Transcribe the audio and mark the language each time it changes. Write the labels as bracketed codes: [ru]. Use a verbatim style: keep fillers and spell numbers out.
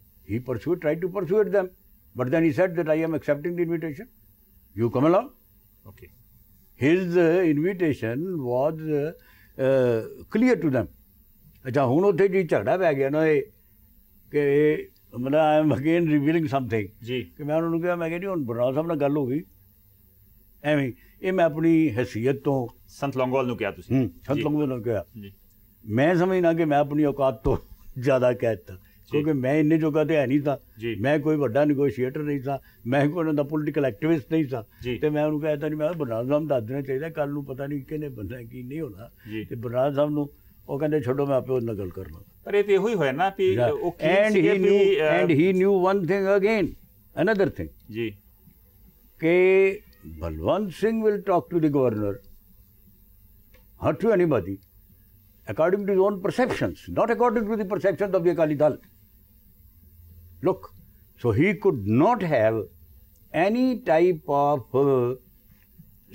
[en] He pursued, tried to persuade them. But then he said that I am accepting the invitation. You come along. Okay. His uh, invitation was uh, uh, clear to them. [pa] ਅੱਛਾ, ਹੁਣ ਉੱਥੇ ਜੀ ਝਗੜਾ ਪੈ ਗਿਆ ਨਾ ਇਹ ਕਿ [en] ਮਤਲਬ I am again revealing something ਜੀ [pa] ਕਿ ਮੈਂ ਉਹਨਾਂ ਨੂੰ ਕਿਹਾ, ਮੈਂ ਕਿਹਾ ਜੀ ਹੁਣ ਬਰਨਾਲਾ ਸਾਹਿਬ ਨਾਲ ਗੱਲ ਹੋ ਗਈ ਐਵੇਂ, ਇਹ ਮੈਂ ਆਪਣੀ ਹੈਸੀਅਤ ਤੋਂ ਸੰਤ ਲੌਂਗੋਵਾਲ ਨੂੰ ਕਿਹਾ ਤੁਸੀਂ? ਹੂੰ, ਸੰਤ ਜੀ। ਲੌਂਗੋਵਾਲ ਨੂੰ ਕਿਹਾ, ਜੀ ਮੈਂ ਸਮਝਣਾ ਕਿ ਮੈਂ ਆਪਣੀ ਔਕਾਤ ਤੋਂ ਜ਼ਿਆਦਾ ਕਹਿ ਦਿੱਤਾ, ਕਿਉਂਕਿ ਮੈਂ ਇੰਨੇ ਜੋਗਾ ਤਾਂ ਹੈ ਨਹੀਂ ਸਾਂ, ਜੀ ਮੈਂ ਕੋਈ ਵੱਡਾ ਨਿਗੋਸ਼ੀਏਟਰ ਨਹੀਂ ਸਾਂ, ਮੈਂ ਕੋਈ ਉਹਨਾਂ ਦਾ ਪੋਲੀਟੀਕਲ ਐਕਟਿਵਿਸਟ ਨਹੀਂ ਸਾਂ, ਜੀ ਤੇ ਮੈਂ ਉਹਨੂੰ ਕਹਿ ਦਿੱਤਾ ਜੀ ਮੈਂ ਬਰਨਾਲਾ ਸਾਹਿਬ ਦੱਸ ਦੇਣਾ ਚਾਹੀਦਾ, ਕੱਲ੍ਹ ਨੂੰ ਪਤਾ ਨਹੀਂ ਕਿਹਨੇ ਬੰਦਾ ਕੀ ਨਹੀਂ ਹੋਣਾ, ਜੀ ਤੇ ਬਰਨਾਲਾ ਸਾਹਿਬ ਨੂੰ ਉਹ ਕਹਿੰਦੇ ਛੱਡੋ ਮੈਂ ਆਪੇ ਉਹਦੇ ਨਾਲ ਗੱਲ ਕਰ ਲਵਾਂ। ਪਰ ਇਹ ਤੇ ਇਹੋ ਹੀ ਹੋਇਆ ਨਾ ਵੀ ਉਹ [en] And he knew and he knew one thing again another thing ਜੀ ਕਿ Balwant Singh will talk to the governor, or to anybody according to his own perceptions, not according to the perceptions of the Akali Dal. Look, so he could not have any type of uh, say-